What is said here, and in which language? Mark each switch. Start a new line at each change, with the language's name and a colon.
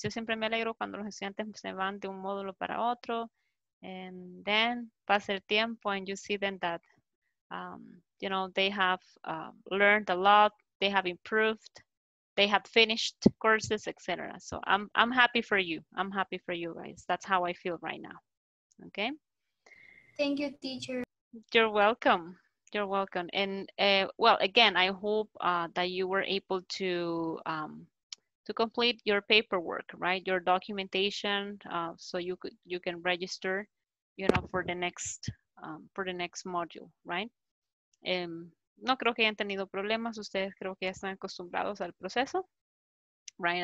Spanish: Yo siempre me alegro cuando los estudiantes se van de un módulo para otro.
English: And then
Spanish: pasa el tiempo
English: and you see them that, you know, they have learned a lot. They have improved. They have finished courses, etc. So I'm happy for you. I'm happy for you guys. That's how I feel right now. Okay? Thank you, teacher. You're welcome. You're welcome. And well, again, I hope that you were able to complete your paperwork, right? Your documentation, so you can register, you know, for the next module, right?
Spanish: No creo que hayan tenido problemas. Ustedes creo que ya están acostumbrados al proceso, right?